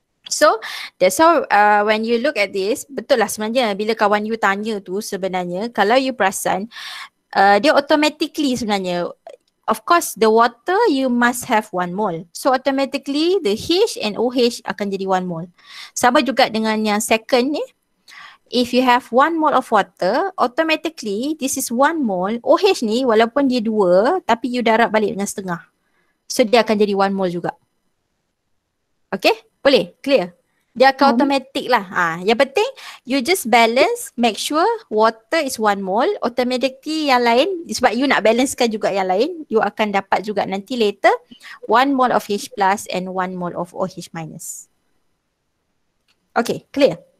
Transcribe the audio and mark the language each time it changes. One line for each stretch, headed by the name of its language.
English: So that's how when you look at this,
Malay: betul lah sebenarnya bila kawan you tanya tu sebenarnya, kalau you perasan, dia automatically sebenarnya,
English: of course the water you must have one mole. So automatically the H and OH
Malay: akan jadi
English: one mole.
Malay: Sama juga dengan yang second ni.
English: If you have one mole of water, automatically this is one mole.
Malay: OH ni walaupun dia dua, tapi you darab balik dengan setengah. So dia akan jadi one mole juga.
English: Okay?
Malay: Boleh?
English: Clear?
Malay: Dia akan automatic lah. Yang penting,
English: you just balance, make sure water is one mole. Automatically
Malay: yang lain, sebab you nak balancekan juga yang lain, you akan dapat juga nanti
English: later, one mole of H plus and one mole of OH minus. Okay, clear?